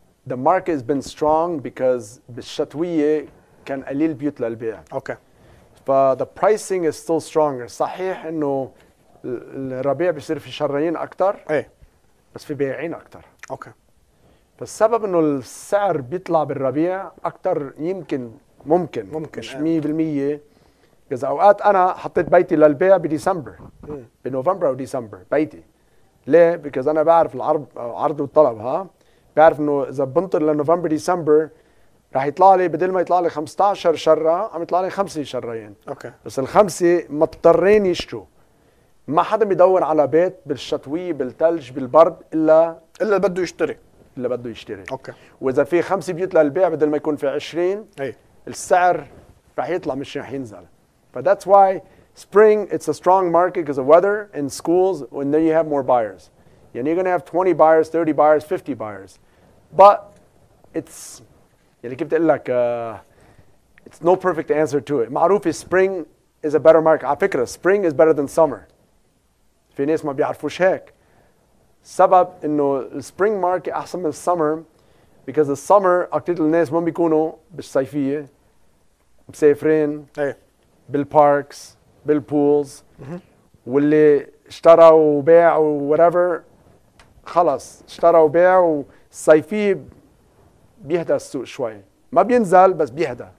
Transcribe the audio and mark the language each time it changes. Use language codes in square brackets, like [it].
[en] The market has been strong because [ar] بالشتويه كان قليل بيوت للبيع. اوكي. ف [en] the pricing is still stronger. [ar] صحيح انه الربيع بيصير في شرايين اكثر ايه، بس في بيعين اكتر. اوكي. فالسبب انه السعر بيطلع بالربيع اكتر، يمكن ممكن ممكن مش 100%. اذا اوقات انا حطيت بيتي للبيع بديسمبر بنوفمبر او ديسمبر بيتي، ليه؟ بيكوز انا بعرف العرض عرض والطلب، ها بعرف انه اذا بنطر لنوفمبر ديسمبر راح يطلع لي، بدل ما يطلع لي 15 شره عم يطلع لي 5 شرايين. اوكي. بس الخمسه مضطرين يشتروا. ما حدا بيدور على بيت بالشتوي بالثلج بالبرد الا اللي بده يشتري، اللي بده يشتري. اوكي. واذا في 5 بيوت للبيع بدل ما يكون في 20، اي السعر راح يطلع مش راح ينزل. [en] فذاتس why spring it's a strong market because of weather and schools, and then you have more buyers and you're going to have 20 buyers, 30 buyers, 50 buyers, but it's [ar] يعني كيف بتقول لك [en] it's no perfect answer to it. معروف spring is a better market. [ar] على فكرة [en] spring is better than summer. [ar] في ناس ما بيعرفوش هيك. سبب انه spring market احسن من summer [en] because the summer [ar] اكتر الناس ما بيكونوا بالصيفية مسافرين بالparks بالبولز. واللي اشترى وباع وواتيفر خلص اشترى وباع، والصيفي بيهدى السوق شوي، ما بينزل بس بيهدى.